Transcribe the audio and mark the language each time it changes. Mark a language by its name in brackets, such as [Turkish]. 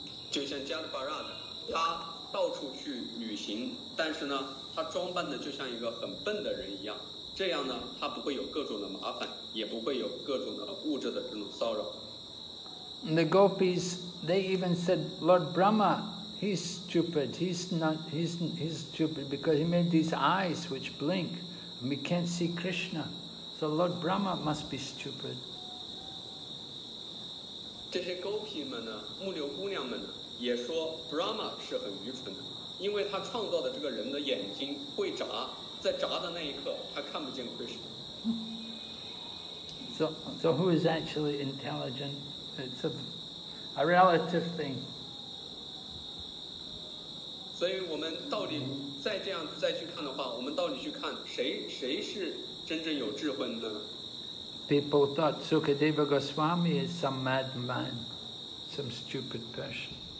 [Chinese] 就像 Jadbharat, 他到处去旅行，但是呢，他装扮的就像一个很笨的人一样，这样呢，他不会有各种的麻烦，也不会有各种的物质的这种骚扰。 [English] And the gopis, they even said, Lord Brahma, he's stupid, he's stupid because he made these eyes which blink and we can't see Krishna. So Lord Brahma must be stupid. These gopis, [Chinese] 木流姑娘们呢，也说 Brahma 是很愚蠢的，因为他创造的这个人的眼睛会眨，在眨的那一刻他看不见 Krishna. [English] So who is actually intelligent? It's a relative thing. [Chinese] 所以我们到底再这样再去看的话，我们到底去看谁是真正有智慧的呢？ [English] People thought Sukadeva Goswami is some madman, some stupid person.